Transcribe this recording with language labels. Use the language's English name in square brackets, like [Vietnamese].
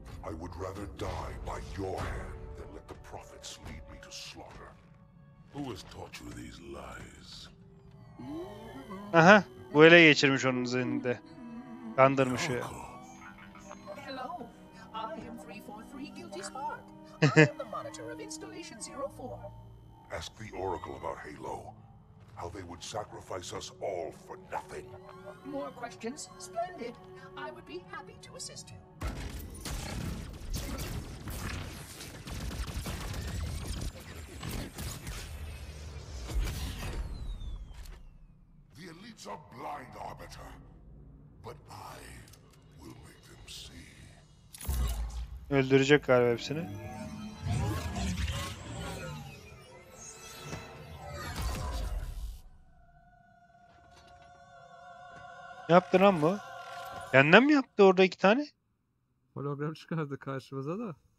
[English] I would rather die by your hand. Prophets lead me to slaughter. Who has taught you these lies? [Turkish] Aha, bu ele geçirmiş onun zihninde. Kandırmış ya. [English] Hello. I am 343 Guilty Spark. I am the monitor of installation 04. Ask the Oracle about Halo. How they would sacrifice us all for nothing. More questions? Splendid. I would be happy to assist you. A blind arbiter, but I will make them see. [Turkish] Öldürecek galiba hepsini. Yaptı lan bu. Kendinden mi yaptı orada iki tane? Hologram çıkardı karşımıza da.